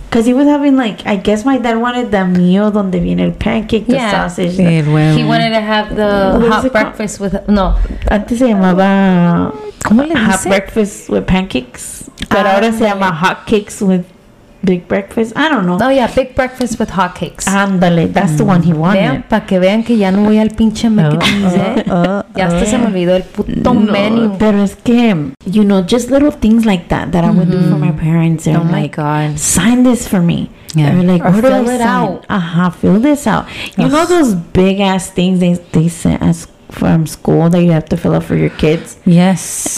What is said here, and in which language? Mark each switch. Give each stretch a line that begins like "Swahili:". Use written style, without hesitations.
English: Because he was having, like, I guess my dad wanted the meal
Spanish: donde viene el
English: pancake, the sausage.
Spanish: Sí, el huevo.
English: He wanted to have the hot breakfast with, no.
Spanish: Antes se llamaba, ¿cómo le dice?
English: Hot breakfast with pancakes.
Spanish: Pero ahora se llama
English: hot cakes with big breakfast. I don't know. Oh, yeah. Big breakfast with hotcakes.
Spanish: Ándale.
English: That's the one he wanted.
Spanish: Vean, para que vean que ya no voy al pinche McDonald's. Ya hasta se me olvidó el puto menu. Pero es que,
English: you know, just little things like that I would do for my parents. Oh, my God. Sign this for me. Yeah. Or like, or fill it out. Uh-huh. Fill this out. You know those big ass things they sent us from school that you have to fill out for your kids? Yes.